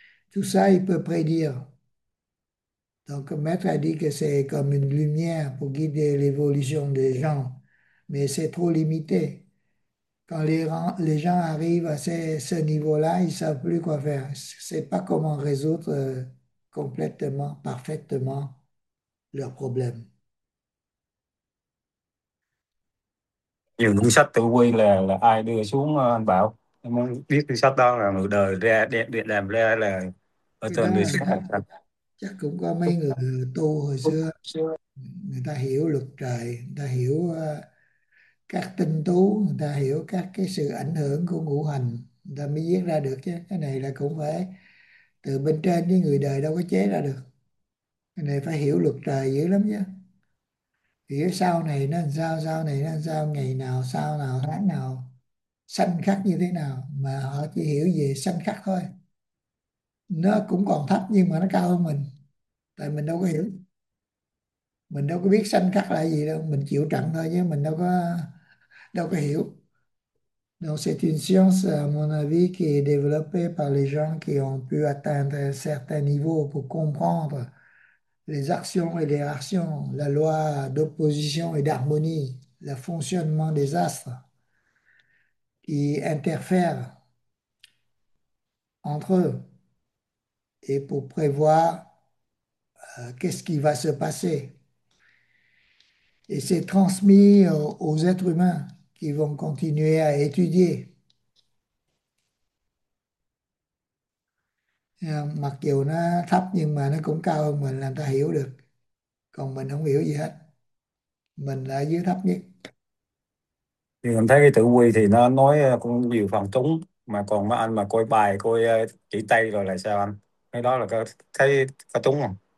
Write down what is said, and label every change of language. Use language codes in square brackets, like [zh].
[fr] Tout ça, il peut prédire. Donc, Maître a dit que c'est comme une lumière pour guider l'évolution des gens, mais c'est trop limité. Quand les gens arrivent à ce niveau-là, ils ne savent plus quoi faire. C'est pas comment résoudre complètement, parfaitement leurs problèmes. [vi] Nhiều cuốn sách tử vi là ai đưa xuống anh Bảo? Em muốn biết cuốn sách đó là người đời ra để làm ra là ở Cái trên đó đời là sống khác. Chắc cũng có mấy người tu hồi xưa, xưa. người ta hiểu luật trời, người ta hiểu các tinh tú, người ta hiểu các cái sự ảnh hưởng của ngũ hành, người ta mới viết ra được chứ. Cái này là cũng phải từ bên trên, với người đời đâu có chế ra được. Cái này phải hiểu luật trời dữ lắm chứ. Hiểu sau này nó làm sao này nó làm sao, ngày nào, sao nào, tháng nào, sanh khắc như thế nào, mà họ chỉ hiểu về sanh khắc thôi. Nó cũng còn thấp nhưng mà nó cao hơn mình, tại mình đâu có hiểu, mình đâu có biết sanh khắc là gì đâu, mình chịu trận thôi chứ mình đâu có hiểu. [fr] Donc c'est une science à mon avis qui est développée par les gens qui ont pu atteindre un certain niveau pour comprendre les actions et les réactions, la loi d'opposition et d'harmonie, le fonctionnement des astres qui interfèrent entre eux. Et pour prévoir qu'est-ce qui va se passer. Et c'est transmis aux êtres humains qui vont continuer à étudier. [vi] Mặc dù nó thấp nhưng mà nó cũng cao hơn mình, làm ta hiểu được. Còn mình không hiểu gì hết, mình là dưới thấp nhất. Thì mình thấy cái tử quy thì nó nói cũng nhiều phần trúng, mà còn mấy anh mà coi bài coi chỉ tay rồi là sao anh, cái đó là có thấy có trúng không?